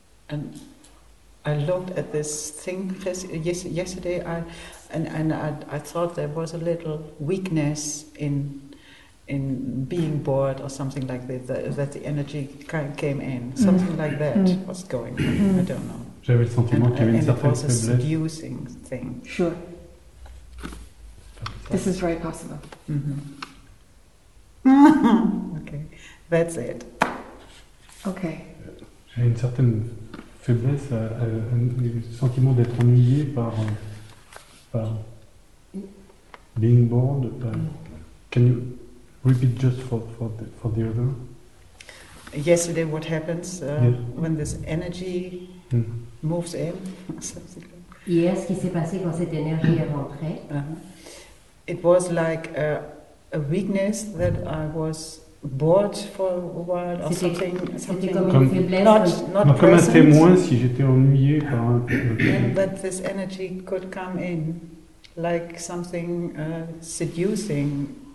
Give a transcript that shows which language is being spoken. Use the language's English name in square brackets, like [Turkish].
[English] And I looked at this thing yesterday, I thought there was a little weakness in being bored or something like this, that the energy came in, something like that was going on. I don't know. [French] J'avais le sentiment qu'il y avait une certaine [English] faiblesse. And it was a seducing thing. Sure. This is very possible. Mm-hmm. Okay, that's it. Okay. [French] J'avais une certaine faiblesse, un sentiment d'être ennuyé par [English] being bored. Can you repeat just for the other? Yesterday, what happens when this energy moves in? [French] Hier, ce qui s'est passé quand cette énergie est rentrée? [English] It was like a weakness that I was bored for a while or something. [French] C'était comme une faiblesse. [English] Not [French] comme un témoin si j'étais ennuyé par un. [English] But this energy could come in like something seducing.